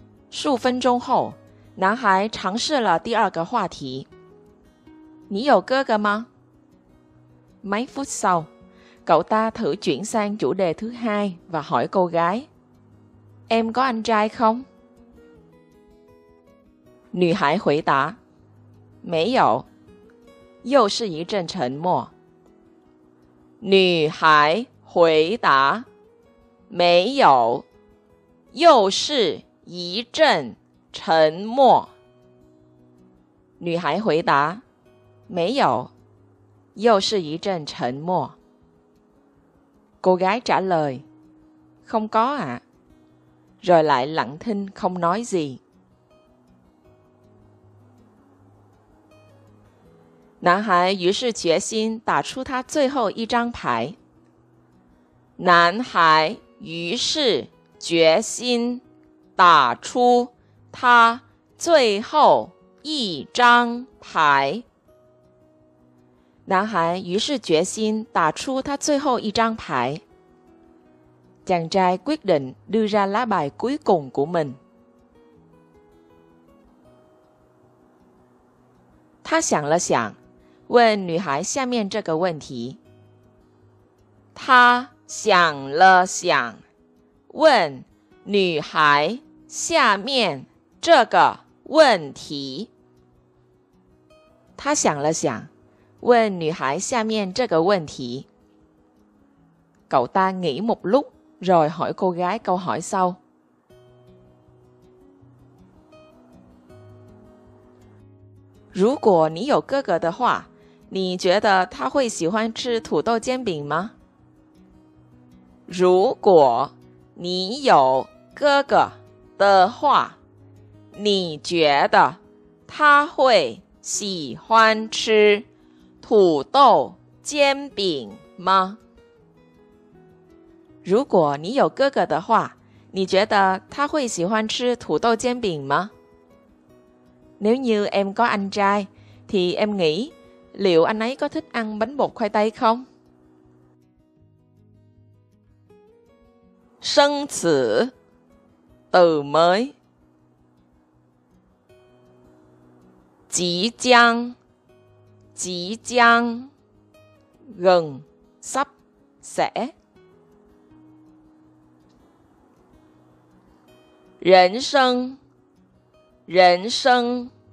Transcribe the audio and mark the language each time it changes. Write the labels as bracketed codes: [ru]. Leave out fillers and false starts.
[zh] 数分钟后，男孩尝试了第二个话题。你有哥哥吗？ [vi] Mấy phút sau, cậu ta thử chuyển sang chủ đề thứ hai và hỏi cô gái, em có anh trai không? [zh] 女孩回答，没有。又是一阵沉默。女孩回答，没有。又是一阵沉默。女孩回答，没有。又是一阵沉默。 [vi] Cô gái trả lời, không có ạ. Rồi lại lặng thinh không nói gì. [zh] 男孩于是决心打出他最后一张牌。男孩于是决心打出他最后一张牌。男孩于是决心打出他最后一张牌。 [vi] Chàng trai quyết định đưa ra lá bài cuối cùng của mình. [zh] 他想了想，问女孩下面这个问题。他想了想，问女孩下面这个问题。他想了想，问女孩下面这个问题。 [vi] Cậu ta nghĩ một lúc rồi hỏi cô gái câu hỏi sau. [zh] 如果你有哥哥的话，你觉得他会喜欢吃土豆煎饼吗？如果你有哥哥的话，你觉得他会喜欢吃土豆煎饼吗？如果你有哥哥的话，你觉得他会喜欢吃土豆煎饼吗？ [vi] Nếu như em có anh trai, thì em nghĩ liệu anh ấy có thích ăn bánh bột khoai tây không? [zh] 生词 [vi] từ mới, [zh] 即将, 即将, [vi] gần, sắp, sẽ, [zh] 人生, 人生,